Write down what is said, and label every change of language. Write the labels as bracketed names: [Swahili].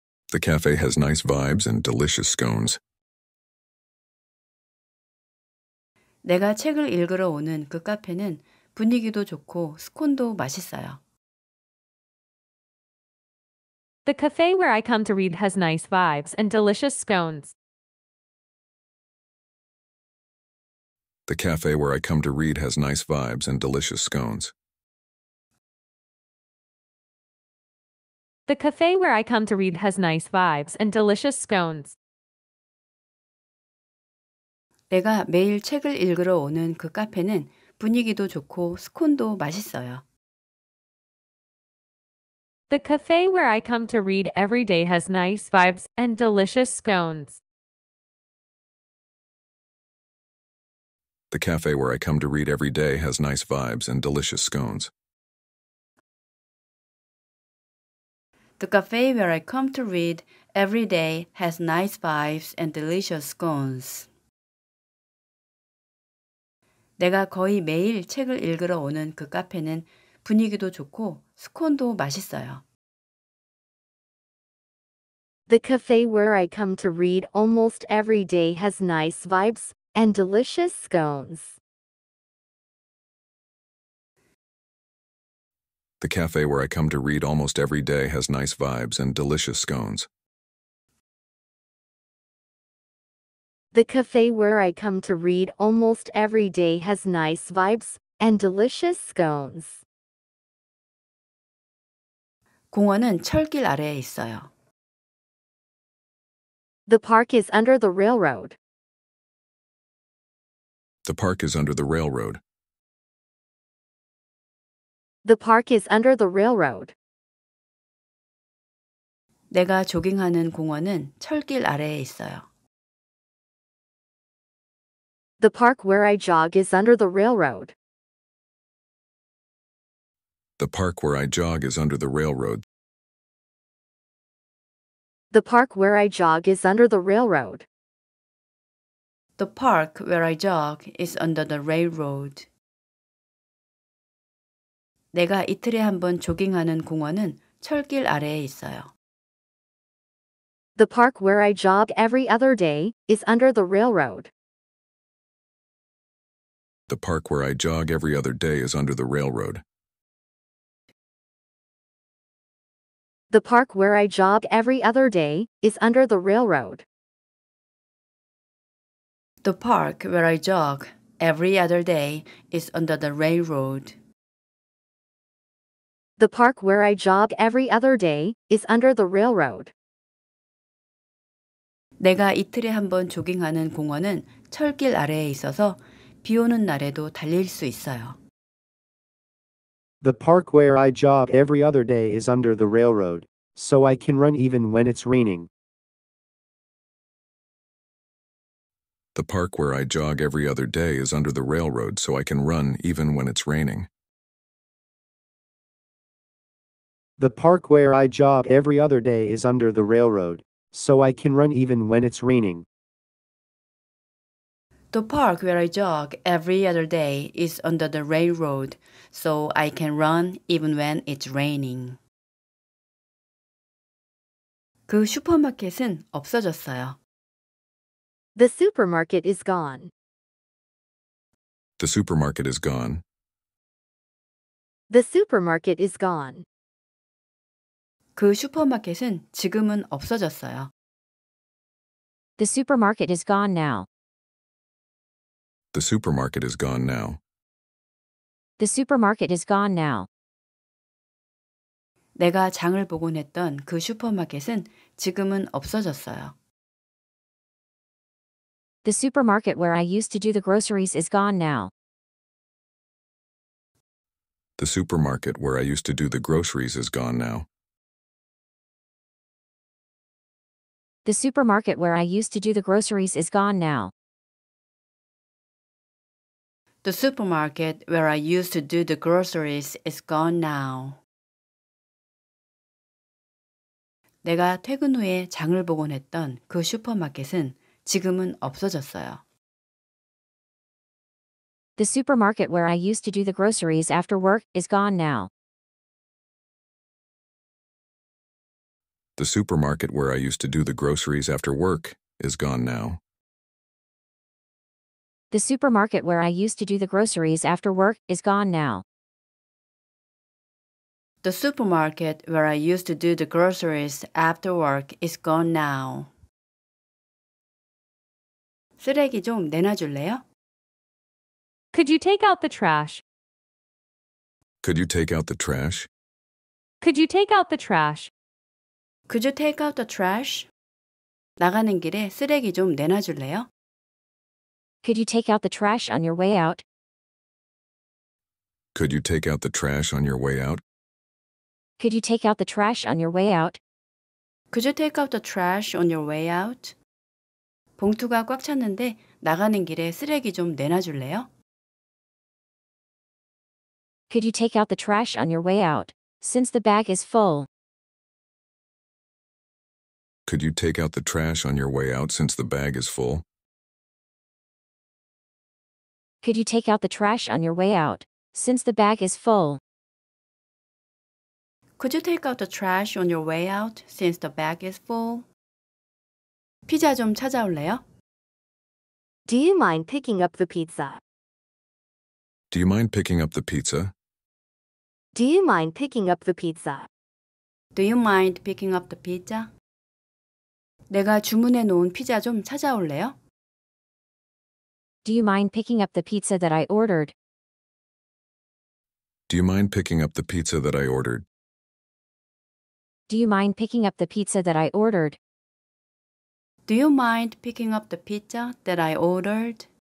[English] The cafe has nice vibes and delicious scones. [Korean] 내가 책을 읽으러 오는 그 카페는 분위기도 좋고 스콘도 맛있어요. [English] The cafe where I come to read has nice vibes and delicious scones. The cafe where I come to read has nice vibes and delicious scones. The cafe where I come to read has nice vibes and delicious scones. [Korean] 내가 매일 책을 읽으러 오는 그 카페는 분위기도 좋고 스콘도 맛있어요. [English] The cafe where I come to read every day has nice vibes and delicious scones. The cafe where I come to read every day has nice vibes and delicious scones. The cafe where I come to read every day has nice vibes and delicious scones. [Korean] 내가 거의 매일 책을 읽으러 오는 그 카페는 분위기도 좋고 스콘도 맛있어요. [English] The cafe where I come to read almost every day has nice vibes and delicious scones. The cafe where I come to read almost every day has nice vibes and delicious scones. The cafe where I come to read almost every day has nice vibes and delicious scones. [Korean] 공원은 철길 아래에 있어요. [English] The park is under the railroad. The park is under the railroad. The park is under the railroad. [Korean] 내가 조깅하는 공원은 철길 아래에 있어요. [English] The park where I jog is under the railroad. The park where I jog is under the railroad. The park where I jog is under the railroad. The park where I jog is under the railroad. [Korean] 내가 이틀에 한 번 조깅하는 공원은 철길 아래에 있어요. [English] The park where I jog every other day is under the railroad. The park where I jog every other day is under the railroad. The park where I jog every other day is under the railroad. The park where I jog every other day is under the railroad. The park where I jog every other day is under the railroad. [Korean] 내가 이틀에 한 번 조깅하는 공원은 철길 아래에 있어서 비 오는 날에도 달릴 수 있어요. [English] The park where I jog every other day is under the railroad, so I can run even when it's raining. The park where I jog every other day is under the railroad, so I can run even when it's raining. The park where I jog every other day is under the railroad, so I can run even when it's raining. The park where I jog every other day is under the railroad, so I can run even when it's raining. [Korean] 그 슈퍼마켓은 없어졌어요. [English] The supermarket is gone. The supermarket is gone. The supermarket is gone. [Korean] 그 슈퍼마켓은 지금은 없어졌어요. [English] The supermarket is gone now. The supermarket is gone now. The supermarket is gone now. [Korean] 내가 장을 보곤 했던 그 슈퍼마켓은 지금은 없어졌어요. [English] The supermarket where I used to do the groceries is gone now. The supermarket where I used to do the groceries is gone now. The supermarket where I used to do the groceries is gone now. The supermarket where I used to do the groceries is gone now. [Korean] 내가 퇴근 후에 장을 보곤 했던 그 슈퍼마켓은 지금은 없어졌어요. [English] The supermarket where I used to do the groceries after work is gone now. The supermarket where I used to do the groceries after work is gone now. The supermarket where I used to do the groceries after work is gone now. The supermarket where I used to do the groceries after work is gone now. [Korean] 쓰레기 좀 내놔줄래요? [English] Could you take out the trash? Could you take out the trash? Could you take out the trash? Could you take out the trash? [Korean] 나가는 길에 쓰레기 좀 내놔줄래요? [English] Could you take out the trash on your way out? Could you take out the trash on your way out? Could you take out the trash on your way out? Could you take out the trash on your way out? [Korean] 봉투가 꽉 찼는데 나가는 길에 쓰레기 좀 내놔줄래요? [English] Could you take out the trash on your way out, since the bag is full? Could you take out the trash on your way out, since the bag is full? Could you take out the trash on your way out, since the bag is full? Could you take out the trash on your way out, since the bag is full? [Korean] 피자 좀 찾아올래요? [English] Do you mind picking up the pizza? Do you mind picking up the pizza? Do you mind picking up the pizza? Do you mind picking up the pizza? [Korean] 내가 주문해 놓은 피자 좀 찾아올래요? [English] Do you mind picking up the pizza that I ordered? Do you mind picking up the pizza that I ordered? Do you mind picking up the pizza that I ordered? Do you mind picking up the pizza that I ordered?